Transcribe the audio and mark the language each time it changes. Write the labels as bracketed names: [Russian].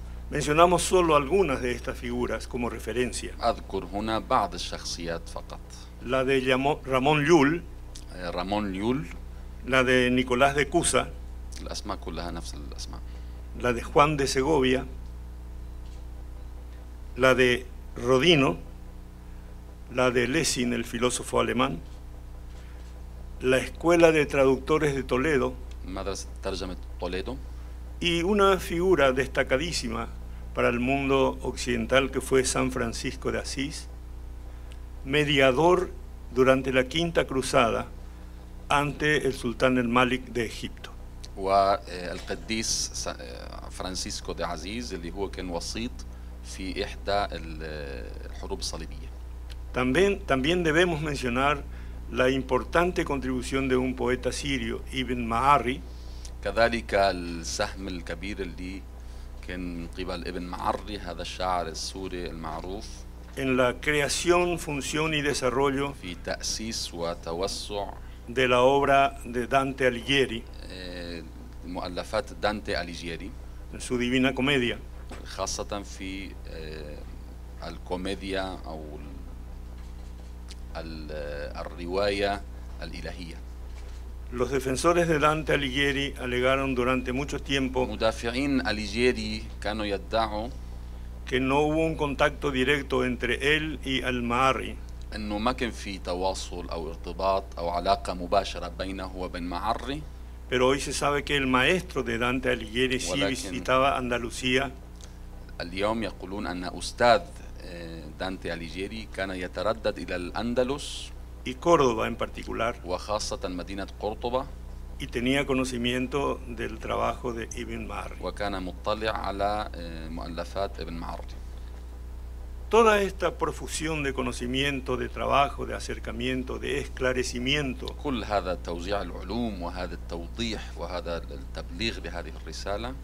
[Spanish] Mencionamos solo algunas de estas figuras como referencia. [Arabic] أذكر هنا بعض الشخصيات فقط. [Spanish] La de Ramón Llull. [Arabic] Ramón Llull. [Spanish] La de Nicolás de Cusa. [Arabic] الأسماء كلها نفس الأسماء. [Spanish] La de Juan de Segovia. La de Rodino. La de Lessing, el filósofo alemán. La Escuela de Traductores de Toledo. [Arabic] مدرسة ترجمة Toledo. [Spanish] y una figura destacadísima para el mundo occidental que fue San Francisco de Asís, mediador durante la Quinta Cruzada ante el sultán el Malik de Egipto. [Arabic] وال قديس فرانسيسكو دي عزيز اللي هو كان وسيط في احدى الحروب الصليبيه. [Spanish] También debemos mencionar la importante contribución de un poeta sirio, Ibn Ma'arri. [Arabic] كذلك السهم الكبير اللي كان من قبل ابن معري هذا الشاعر السوري المعروف. [Spanish] En la creación, función y desarrollo [Arabic] في تأسيس وتوسع [Spanish] de la obra de Dante Alighieri. [Arabic] مؤلفات دانتي أليجيري. [Spanish] En su Divina Comedia. [Arabic] خاصة في الكوميديا أو الرواية الإلهية. [Spanish] Los defensores de Dante Alighieri alegaron durante mucho tiempo [Arabic] مدافعين أليجيري كانوا يدعوا [Spanish] que no hubo un contacto directo entre él y Al-Ma'arri. [Arabic] أنه ما كان في تواصل أو ارتباط أو علاقة مباشرة بينه وبين معري. [Spanish] Pero hoy se sabe que el maestro de Dante Alighieri sí visitaba Andalucía. [Arabic] اليوم يقولون أن أستاذ دانتي أليجيري كان يتردد إلى الأندلس [Spanish] y Córdoba en particular. [Arabic] وخاصة مدينة قرطبة. [Spanish] Y tenía conocimiento del trabajo de Ibn Ma'arri. [Arabic] وكان مطلع على مؤلفات ابن معري. [Spanish] Toda esta profusión de conocimiento, de trabajo, de acercamiento, de esclarecimiento. [Arabic] كل هذا توزيع العلوم وهذا التوضيح وهذا التبليغ بهذه الرسالة.